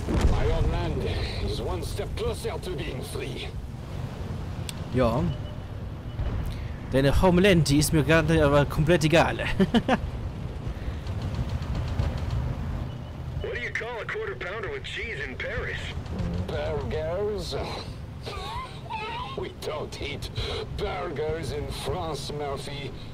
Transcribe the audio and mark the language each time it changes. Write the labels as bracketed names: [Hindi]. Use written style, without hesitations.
[English] My own land is one step closer to being free. [German] Ja. Deine Homeland, die ist mir gerade aber komplett egal. [English] What do you call a quarter pounder with cheese in Paris? Burgers? We don't eat burgers in France, Murphy.